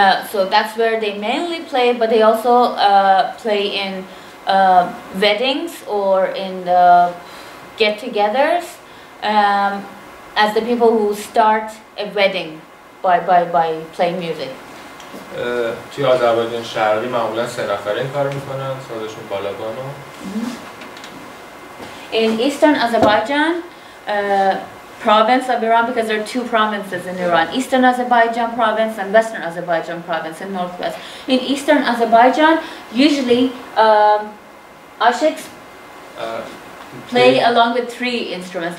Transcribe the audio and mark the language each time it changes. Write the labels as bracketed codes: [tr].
[en] So that's where they mainly play, but they also play in weddings or in the get-togethers as the people who start a wedding by playing music. [fa] توی آذربایجان شرقی معمولا سه نفره این کار میکنن سازشون بالابانو [en] In eastern Azerbaijan province of Iran because there are two provinces in Iran eastern Azerbaijan province and western Azerbaijan province in northwest in eastern Azerbaijan usually Ashiks play along with three instruments.